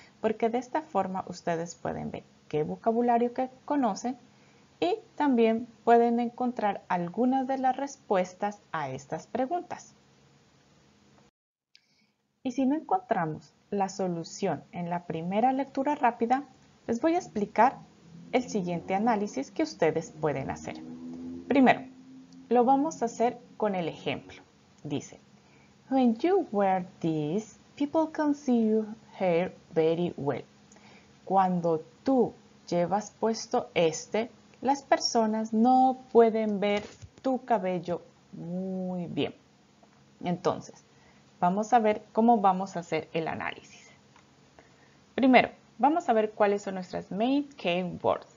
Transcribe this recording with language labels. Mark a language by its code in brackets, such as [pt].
[es] Porque de esta forma ustedes pueden ver qué vocabulario que conocen y también pueden encontrar algunas de las respuestas a estas preguntas. Y si no encontramos la solución en la primera lectura rápida, les voy a explicar el siguiente análisis que ustedes pueden hacer. Primero, lo vamos a hacer con el ejemplo. Dice, [en] when you wear this, people can see your hair very well. [es] Cuando tú llevas puesto este, las personas no pueden ver tu cabello muy bien. Entonces, vamos a ver cómo vamos a hacer el análisis. Primero, vamos a ver cuáles son nuestras [en] main keywords.